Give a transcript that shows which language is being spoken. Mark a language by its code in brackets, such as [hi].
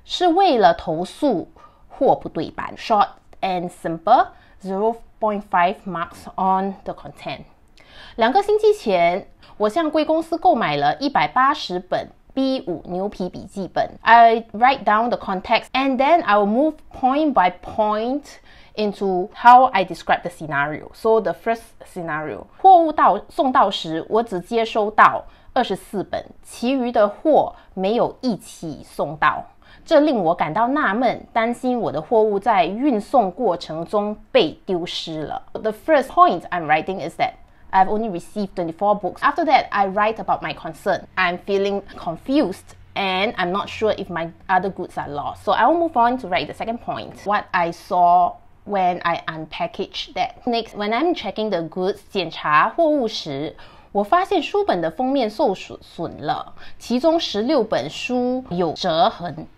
[zh] 特制此函是为了投诉 或不对版. [en] Short and simple, 0.5 marks on the content. [zh] 2个星期前, 我向贵公司购买了180本 B5牛皮笔记本. [en] I write down the context and then I will move point by point into how I describe the scenario. So the first scenario, [zh] 货物送到时, 我只接收到24本, 其余的货没有一起送到. 这令我感到纳闷, 担心我的货物在运送过程中被丢失了. [en] The first point I'm writing is that I've only received 24 books. After that, I write about my concern. I'm feeling confused and I'm not sure if my other goods are lost. So I'll move on to write the second point. What I saw when I unpackaged that. Next, when I'm checking the goods, [zh] 检查货物时, 我发现书本的封面受损了,其中16本书有折痕.